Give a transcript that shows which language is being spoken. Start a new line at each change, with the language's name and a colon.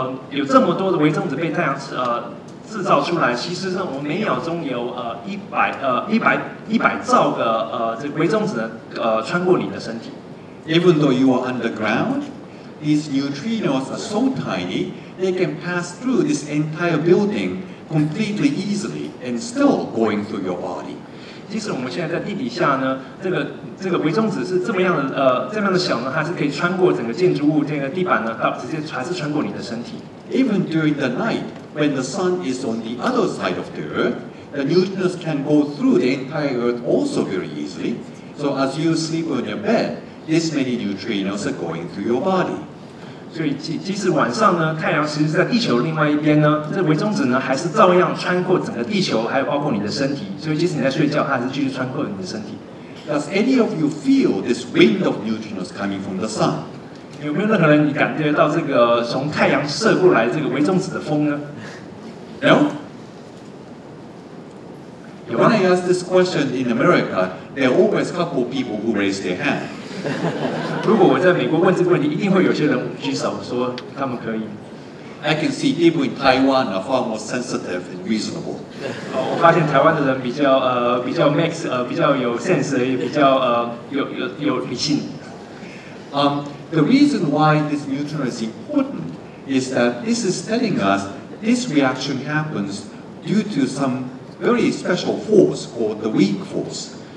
Chinese: 有这么多的微中子被太阳制造出来，其实我们每秒钟有100兆个这微中子穿过你的身体。
English: Even though you are underground, these neutrinos are so tiny, they can pass through this entire building completely easily and still going through your body.
Chinese: 即使我们现在在地底下呢，这个微中子是这么样的这么样的小呢，它是可以穿过整个建筑物这个地板呢，到直接还是穿过你的身体。
English: Even during the night, when the sun is on the other side of the earth, the neutrinos can go through the entire earth also very easily. So as you sleep on your bed,This many neutrinos are going through your body.
Chinese: 所以即使晚上呢，太阳其实是在地球另外一边呢，这微中子呢还是照样穿过整个地球，还有包括你的身体。所以即使你在睡觉，它还是继续穿过你的身体。
English: Does any of you feel this wind of neutrinos coming from the sun?
Chinese: 有没有任何人你感觉到这个从太阳射过来这个微中子的风呢
English: ？No. When I ask this question in America, there are always a couple of people who raise their hand.
Chinese: 如果我在美国问这个问题，一定会有些人举手说他们可以。
English: I can see people in Taiwan are far more sensitive and reasonable.
Chinese: 我发现台湾的人比较 max 比较有 sense 也比较有理性。
English: The reason why this neutron is important is that this is telling us this reaction happens due to some very special force called the weak force.